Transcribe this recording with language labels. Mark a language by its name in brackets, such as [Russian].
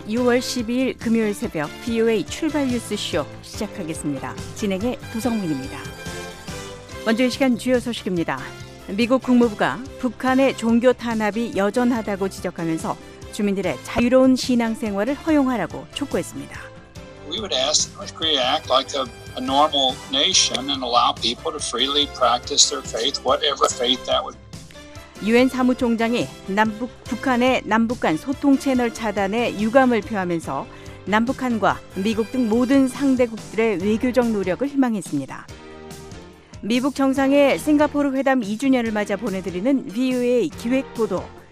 [Korean] 6월 12일 금요일 새벽 VOA 출발 뉴스 쇼 시작하겠습니다. 진행의 도성민입니다. 먼저 이 시간 주요 소식입니다. 미국 국무부가 북한의 종교 탄압이 여전하다고 지적하면서 주민들의 자유로운 신앙 생활을 허용하라고 촉구했습니다. [English] We would ask North Korea act like a normal nation and allow people to freely practice their faith, whatever faith that would be. [Korean] 유엔 사무총장이 북한의 남북 간 소통 채널 차단에 유감을 표하면서 남북한과 미국 등 모든 상대국들의 외교적 노력을 희망했습니다. 미북 정상의 싱가포르 회담 2주년을 맞아 보내드리는 VOA 기획 보도.